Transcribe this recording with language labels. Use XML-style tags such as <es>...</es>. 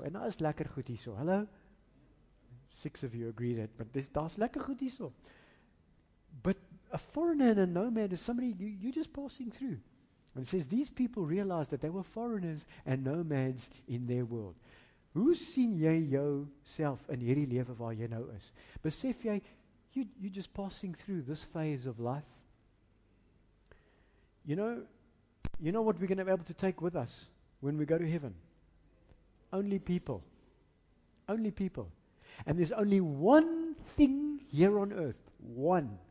<af>En daar is lekker goed hierso.</af> <en>Hello? Six of you agree that.</en> <af>But daar's lekker goed hierso.</af> <en>But a foreigner and a nomad is somebody you're just passing through. And it says these people realized that they were foreigners and nomads in their world.</en> <af>Hoe sien jy jouself in hierdie lewe waar jy nou is? Besef jy,</af> <en>you're just passing through this phase of life. You know what we're going to be able to take with us when we go to heaven? Only people. Only people. And there's only one thing here on earth. One.</en>